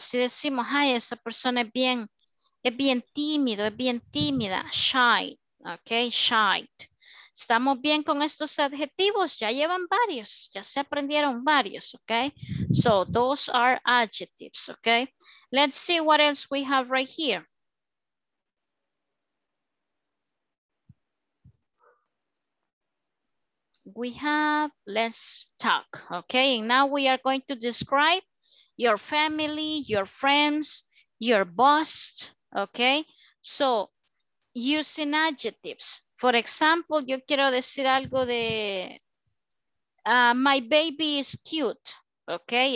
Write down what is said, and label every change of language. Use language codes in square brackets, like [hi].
[es] Si decimos, ay, esa persona es bien tímido, es bien tímida. Shy, ok, shy. ¿Estamos bien con estos adjetivos? Ya llevan varios, ya se aprendieron varios, ¿ok? [en] So, those are adjectives, ¿ok? Let's see what else we have right here. We have, let's talk, ¿ok? And now we are going to describe your family, your friends, your boss, ¿ok? So, using adjectives. For example, [es] yo quiero decir algo de [en] my baby is cute, ¿ok?